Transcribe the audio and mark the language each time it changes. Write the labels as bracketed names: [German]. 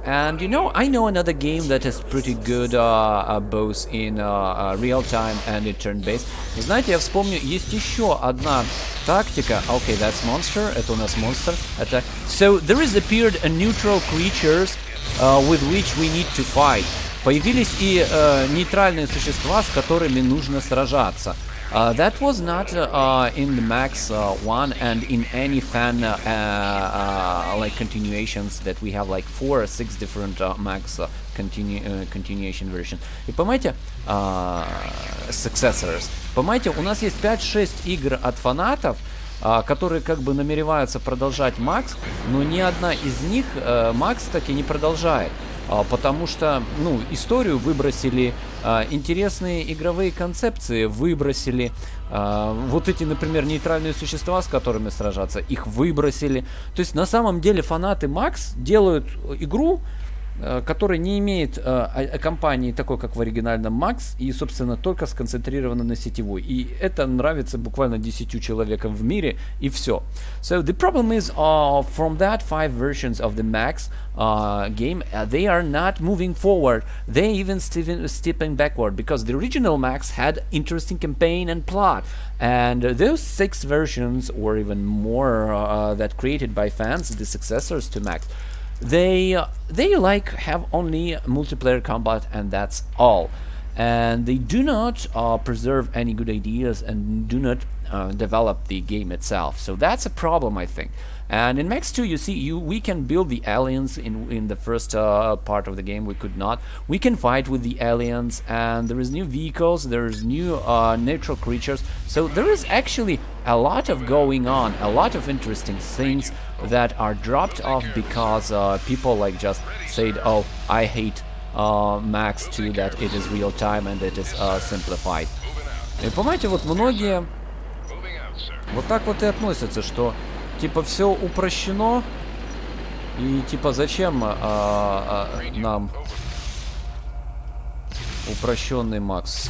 [English] And you know, I know another game that is pretty good, both in real time and in turn based. [Russian] Знаете, я вспомню, есть еще одна тактика. [English] Okay, that's monster. [Russian] Это у нас [English] monster attack. So there is appeared a neutral creatures with which we need to fight. [Russian] Появились и нейтральные существа, с которыми нужно сражаться. [English] That was not in the Max 1 and in any fan like continuations that we have like 4 or 6 different Max continuation version. [Russian] И понимаете, [English] successors. [Russian] Понимаете, у нас есть 5-6 игр от фанатов, которые как бы намереваются продолжать Max, но ни одна из них Max так и не продолжает. Потому что, ну, историю выбросили, интересные игровые концепции выбросили, вот эти, например, нейтральные существа, с которыми сражаться, их выбросили. То есть, на самом деле, фанаты Max делают игру, которая не имеет компании такой, как в оригинальном Max, и, собственно, только сконцентрирована на сетевой. И это нравится буквально 10 человекам в мире, и все. [English] So, the problem is, from that 5 versions of the Max game, they are not moving forward. They even stepping backward, because the original Max had interesting campaign and plot. And those 6 versions, or even more, that created by fans, the successors to Max, They like have only multiplayer combat and that's all, and they do not preserve any good ideas and do not develop the game itself. So that's a problem, I think. And in Max 2, you see, we can build the aliens in the first part of the game. We could not. We can fight with the aliens, and there is new vehicles, there is new natural creatures. So there is actually a lot of going on, a lot of interesting things that are dropped off because people like just said, oh, I hate Max 2, that it is real time and it is simplified. [Russian] И понимаете, вот многие вот так вот и относятся, что типа все упрощено, и типа зачем нам упрощенный Макс.